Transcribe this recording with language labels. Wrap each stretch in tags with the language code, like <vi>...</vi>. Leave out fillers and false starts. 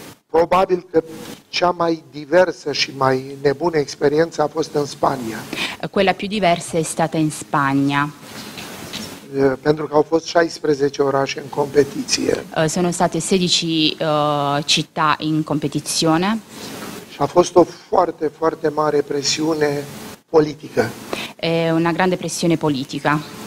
<ro>Probabil că cea mai diversă și mai nebună experiență a fost în Spania.</ro> <it>Quella più diversa è stata in Spagna.</it> <ro>Pentru că au fost 16 orașe în competiție.</ro> <it>Sono state 16 città in competizione.</it> <ro>Și a fost o foarte, foarte mare presiune politică.</ro> <it>È una grande pressione politica.</it>